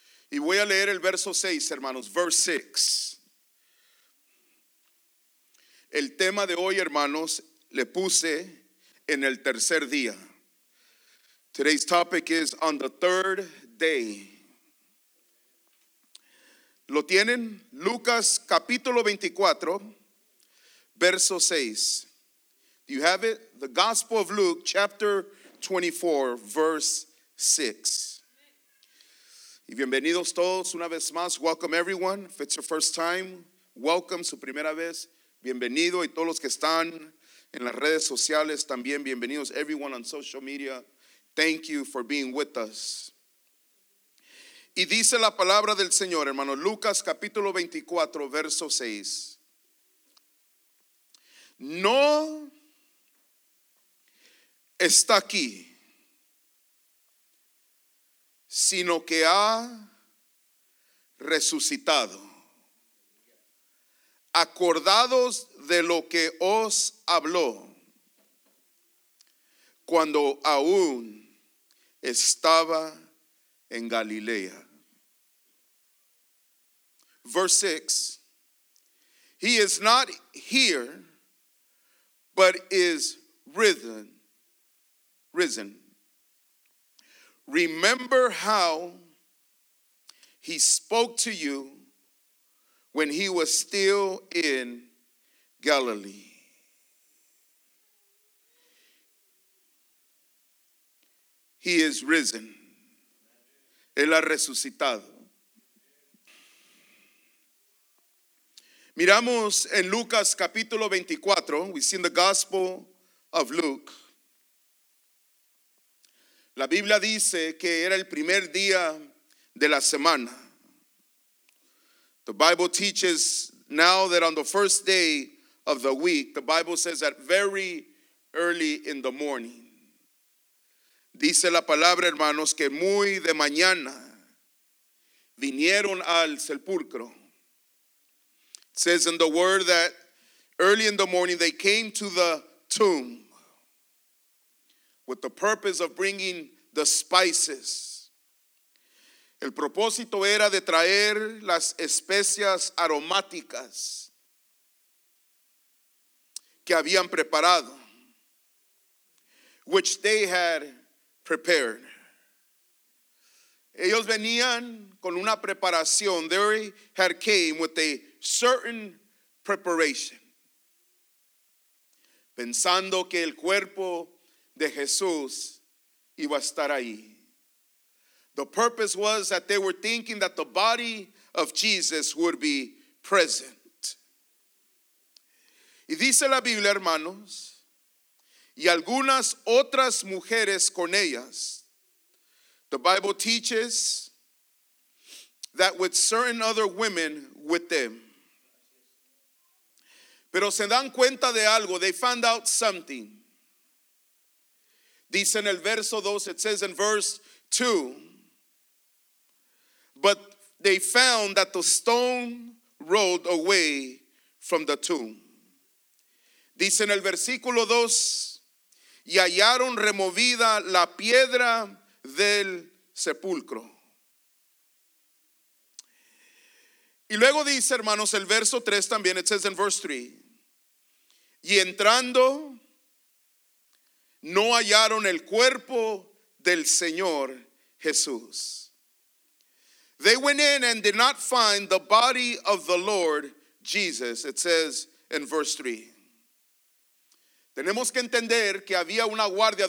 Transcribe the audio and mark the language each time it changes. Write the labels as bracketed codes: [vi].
[es] Y voy a leer el verso 6, hermanos. [en] Verse 6. [es] El tema de hoy, hermanos, le puse en el tercer día. [en] Today's topic is on the third day. [es] ¿Lo tienen? Lucas capítulo 24, verso 6. [en] Do you have it? The Gospel of Luke, chapter 24, verse 6. [es] Y bienvenidos todos una vez más. [en] Welcome everyone. If it's your first time, welcome, [es] su primera vez. Bienvenido. Y todos los que están en las redes sociales también, bienvenidos. [en] Everyone on social media, thank you for being with us. [es] Y dice la palabra del Señor, hermano. Lucas, capítulo 24, verso 6. No está aquí, sino que ha resucitado. Acordados de lo que os habló cuando aún estaba en Galilea. [en] Verse 6. He is not here, but is risen. Risen. Remember how he spoke to you when he was still in Galilee. He is risen. [es] Él ha resucitado. Miramos en Lucas capítulo 24. [en] We see in the Gospel of Luke. [es] La Biblia dice que era el primer día de la semana. [en] The Bible teaches now that on the first day of the week, the Bible says that very early in the morning. [es] Dice la palabra, hermanos, que muy de mañana vinieron al sepulcro. [en] It says in the word that early in the morning they came to the tomb with the purpose of bringing the spices. [es] El propósito era de traer las especias aromáticas que habían preparado, [en] which they had prepared. [es] Ellos venían con una preparación. [en] They had came with a certain preparation, [es] pensando que el cuerpo de Jesús iba a estar ahí. [en] The purpose was that they were thinking that the body of Jesus would be present. [es] Y dice la Biblia, hermanos, y algunas otras mujeres con ellas. [en] The Bible teaches that with certain other women with them. [es] Pero se dan cuenta de algo. [en] They found out something. [es] Dice en el verso 2, [en] it says in verse 2, but they found that the stone rolled away from the tomb. [es] Dice en el versículo 2, y hallaron removida la piedra del sepulcro. Y luego dice, hermanos, el verso 3 también, [en] it says in verse 3, [es] y entrando no hallaron el cuerpo del Señor Jesús. [en] They went in and did not find the body of the Lord Jesus, it says in verse 3. [es] Tenemos que entender que había una guardia.